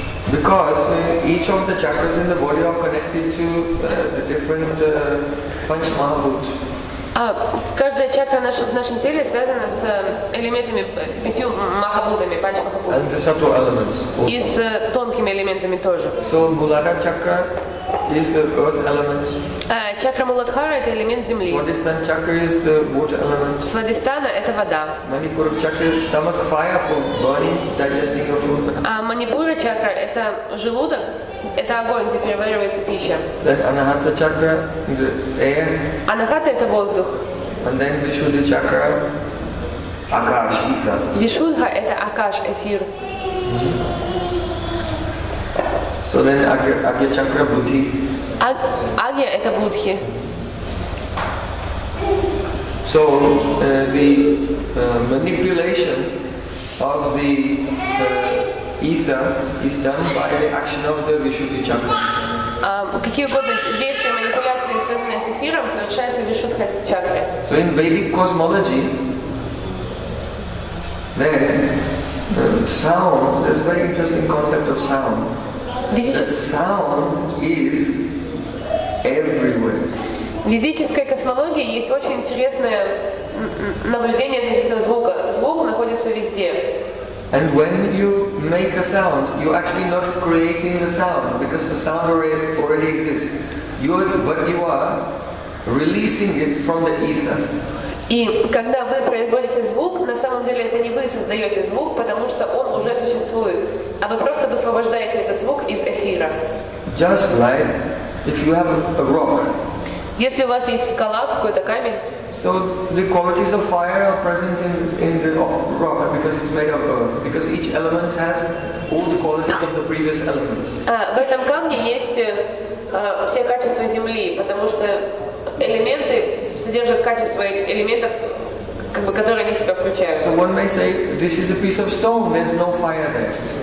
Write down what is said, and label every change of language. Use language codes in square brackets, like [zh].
[en] Because each of the chakras in the body are connected to the different Panch Mahabhut. [ru] Каждая чакра в нашем теле связана с элементами пятью махабудами, панч махабудами. И с тонкими элементами тоже. [en] So Muladhara chakra is the earth element. [ru] Чакра Муладхара — это элемент земли. [en] Свадистана chakra is the water element. [ru] Свадистана — это вода. [en] Манипура chakra is stomach fire for burning, digesting of food. [ru] А манипура чакра — это желудок. Это огонь, где переваривается пища. [en] Then Anahata chakra is air. [ru] Anahata — это воздух. [en] And then Vishuddha chakra, Akash, ether. [ru] Vishuddha — это Акаш, эфир. [en] So then Агья chakra — Будхи. [ru] Агья — это Будхи. [en] So the manipulation of the ether is done by the action of the Vishuddha chakra. [ru] Какие угодно действия, манипуляции, связанные с эфиром, совершаются в Вишудха чакре. [en] So in Vedic cosmology, then sound, there's a very interesting concept of sound. Sound is everywhere. [ru] В ведической космологии есть очень интересное наблюдение относительно звука. Звук находится везде. [en] And when you make a sound, you're actually not creating the sound, because the sound already exists. You are releasing it from the ether. [ru] И когда вы производите звук, на самом деле это не вы создаете звук, потому что он уже существует, а вы просто высвобождаете этот звук из эфира. [en] Just like if you have a rock. [ru] Если у вас есть скала, какой-то камень. [en] So the qualities of fire are present in the rock because it's made of earth, because each element has all the qualities of the previous elements. [ru] В этом камне есть все качества земли, потому что элементы содержат качества элементов, как бы, которые они себя включают. [en] So one may say, this is a piece of stone, there's no fire there.